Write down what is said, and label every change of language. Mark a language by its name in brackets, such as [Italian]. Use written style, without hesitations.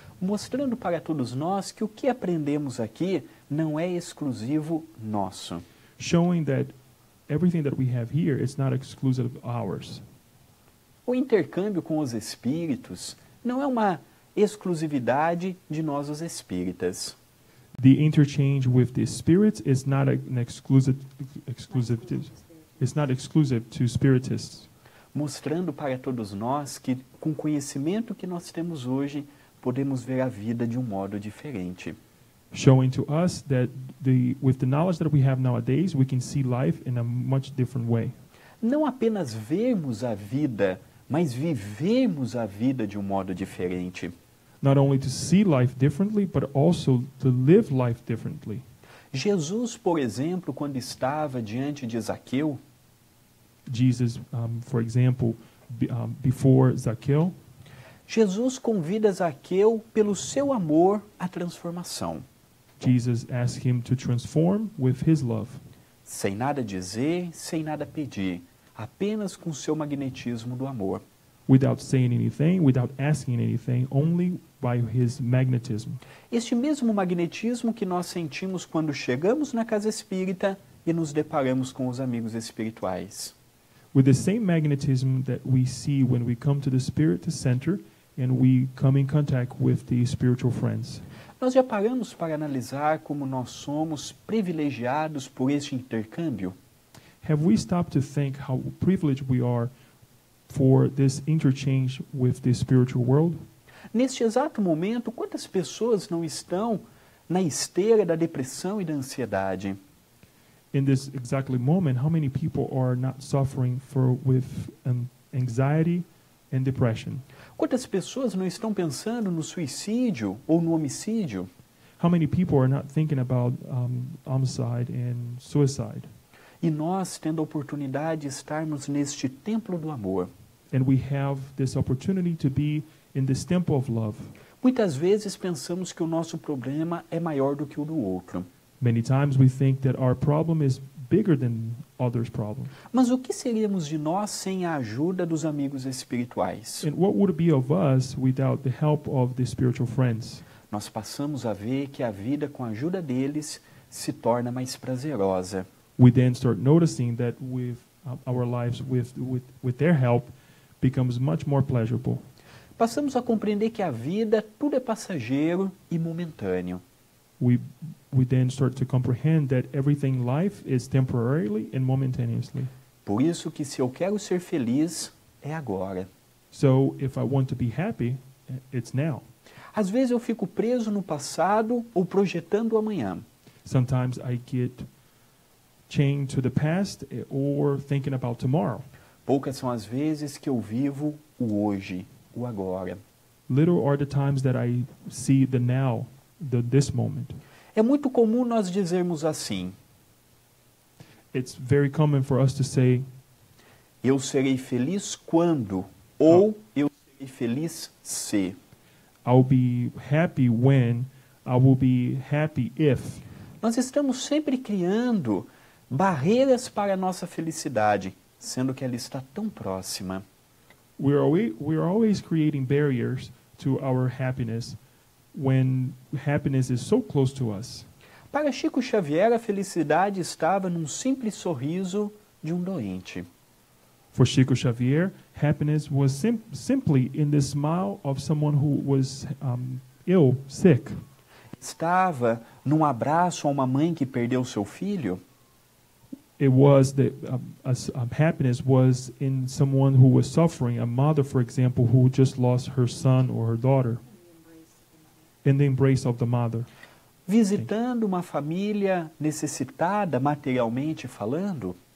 [Portuguese] Mostrando para todos nós que o que aprendemos aqui não é exclusivo nosso. [English] Showing that everything that we have here is not exclusive of ours. [Portuguese] O intercâmbio com os espíritos não é uma exclusividade de nós os espíritas. [English] The interchange with the spirits is not an exclusive to spiritists. [Portuguese] Mostrando para todos nós que com o conhecimento que nós temos hoje, podemos ver a vida de um modo diferente. [English] Showing to us that with the knowledge that we have nowadays, we can see life in a much different way. [Portuguese] Não apenas vermos a vida, mas vivermos a vida de um modo diferente. [English] Not only to see life differently, but also to live life differently. [Portuguese] Jesus, por exemplo, quando estava diante de Zaqueu, [English] Jesus, for example, before Zaqueu, [Portuguese] Jesus convida Zaqueu pelo seu amor à transformação. [English] Jesus asks him to transform with his love. [Portuguese] Sem nada dizer, sem nada pedir, apenas com seu magnetismo do amor. [English] Without saying anything, without asking anything, only by his magnetism. [Portuguese] Este mesmo magnetismo que nós sentimos quando chegamos na casa espírita e nos deparamos com os amigos espirituais. [English] With the same magnetism that we see when we come to the spirit center and we come in contact with the spiritual friends. [Portuguese] Nós já paramos para analisar como nós somos privilegiados por este intercâmbio? [English] Have we stopped to think how privileged we are for this interchange with the spiritual world? [Portuguese] Neste exato momento, quantas pessoas não estão na esteira da depressão e da ansiedade? [English] In this exact moment, how many people are not suffering with anxiety and depression? [Portuguese] Quantas pessoas não estão pensando no suicídio ou no homicídio? [English] How many people are not thinking about homicide and suicide? [Portuguese] E nós tendo a oportunidade de estarmos neste templo do amor. [English] And we have this opportunity to be in this temple of love. [Portuguese] Muitas vezes pensamos que o nosso problema é maior do que o do outro. [English] Many times we think that our problem is bigger than others' problem. [Portuguese] Mas o que seríamos de nós sem a ajuda dos amigos espirituais? [English] And what would it be of us without the help of the spiritual friends? [Portuguese] Nós passamos a ver que a vida com a ajuda deles se torna mais prazerosa. [English] We then start noticing that with our lives with their help becomes much more pleasurable. [Portuguese] passamos a compreender que a vida tudo é passageiro e momentâneo. [English] We then start to comprehend that everything in life is temporarily and momentaneously. [Portuguese] Por isso que se eu quero ser feliz é agora. [English] So if I want to be happy, it's now. [Portuguese] Às vezes eu fico preso no passado ou projetando o amanhã. [English] Sometimes I get chained to the past or thinking about tomorrow. [Portuguese] Poucas são as vezes que eu vivo o hoje, o agora. [English] Little are the times that I see the now, the this moment. [Portuguese] É muito comum nós dizermos assim. [English] It's very common for us to say, [Portuguese] eu serei feliz quando, ou eu serei feliz se. [English] I'll be happy when, I will be happy if. [Portuguese] Nós estamos sempre criando barreiras para a nossa felicidade, sendo que ela está tão próxima. [English] We are always creating barriers to our happiness when happiness is so close to us. [Portuguese] Para Chico Xavier, a felicidade estava num simples sorriso de um doente. [English] For Chico Xavier, happiness was simply in the smile of someone who was ill, sick. [Portuguese] Estava num abraço a uma mãe que perdeu seu filho. [English] It was the happiness was in someone who was suffering, a mother, for example, who just lost her son or her daughter, in the embrace of the mother. [Portuguese] Visitando uma família necessitada, materialmente falando.